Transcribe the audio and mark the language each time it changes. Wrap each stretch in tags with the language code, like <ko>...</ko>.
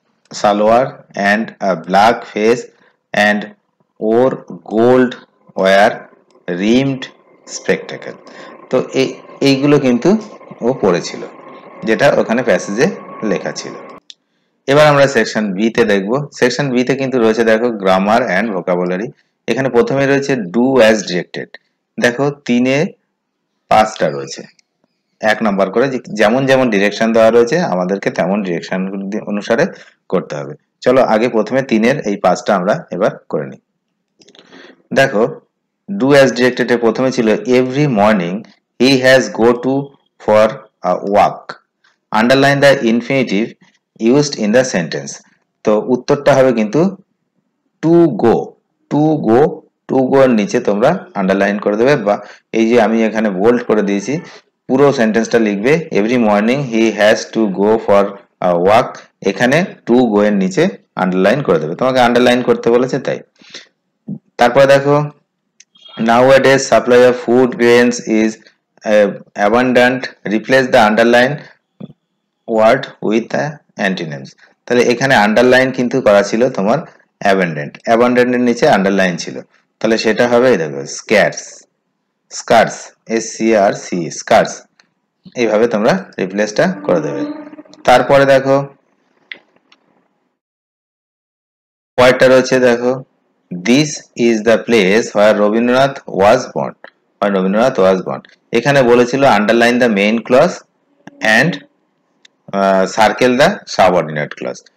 <en>Salwar and a black face and और gold wire rimmed spectacle.</en> <bn>तो এইগুলো কিন্তু ও পড়েছিল যেটা ওখানে প্যাসেজে লেখা ছিল। এবার আমরা সেকশন বি তে দেখব। সেকশন বি তে কিন্তু রয়েছে দেখো গ্রামার এন্ড ভোকাবুলারি। এখানে প্রথমে রয়েছে ডু অ্যাজ ডিরেক্টেড। দেখো তিনে পাঁচটা রয়েছে, এক নাম্বার করে যেমন যেমন ডিরেকশন দেওয়া রয়েছে আমাদেরকে তেমন ডিরেকশন অনুসারে করতে হবে। চলো আগে প্রথমে তিনের এই পাঁচটা আমরা এবার করে নিই। দেখো ডু অ্যাজ ডিরেক্টেড এর প্রথমে ছিল</bn> <en>Every morning He has go to for a walk. Underline the infinitive used in the sentence.</en> <bn>तो उत्तरটা হবে কিন্তু to go, to go, to go এর নিচে তোমরা underline করে দেবে বা এই যে আমি এখানে bold করে দিয়েছি পুরো sentenceটা লিখবে</bn> <en>Every morning he has to go for a walk.</en> <bn>এখানে to go এর নিচে underline করে দেবে, তোমাকে underline করতে বলেছে তাই। তারপর দেখো</bn> <en>Nowadays supply of food grains is abundant replace the underline word with the antonyms</en> <bn>তাহলে এখানে underline কিন্তু করা ছিল তোমার abundant abundant এর নিচে underline ছিল তাহলে সেটা হবে দেখো scarce scarce scarce এইভাবে তোমরা replace টা করে দেবে। তারপরে দেখো পয়েন্টার হচ্ছে দেখো</bn> <en>this is the place where Rabindranath was born</en> <bn>আর রবীন্দ্রনাথ ওয়াজ বন এখানে বলেছিল</bn> <en>Underline the main clause and circle the subordinate clause.</en>